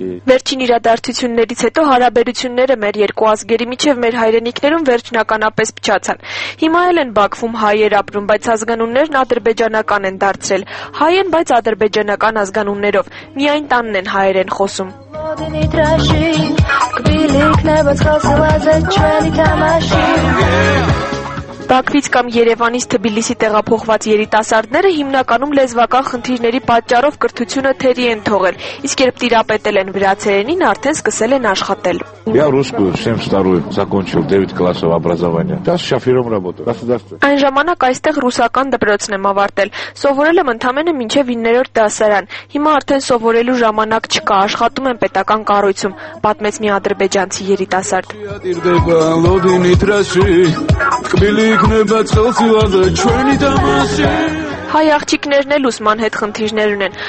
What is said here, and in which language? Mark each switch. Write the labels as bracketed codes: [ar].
[hy] Վերջին իրադարձություններից հետո հարաբերությունները մեր երկու ազգերի միջև մեր հայրենիքներում վերջնականապես փչացան։ Հիմա էլ են Բաքվում հայեր ապրում, բայց ազգանուններն ադրբեջանական են դարձրել։ Հայ են, բայց ադրբեջանական ազգանուններով։ Միայն տանն են հայերեն խոսում։ Բաքվից կամ Երևանից Թբիլիսի տեղափոխված երիտասարդները հիմնականում լեզվական խնդիրների պատճառով կրթությունը թերի են թողել, իսկ երբ տիրապետել են վրացերենին, արդեն սկսել են աշխատել։ [ru] Я русскую всем старую закончил 9 классов образования. Сейчас шофером работаю. Здравствуйте. [hy] Այն ժամանակ այստեղ ռուսական դպրոցն եմ ավարտել։ Սովորել եմ ընդամենը մինչև 9-րդ դասարան։ Հիմա արդեն սովորելու ժամանակ չկա, աշխատում եմ պետական կառույցում, պատմեց մի ադրբեջանցի երիտասարդ։ Հայ աղջիկներն էլ ուսման հետ խնդիրներ ունեն։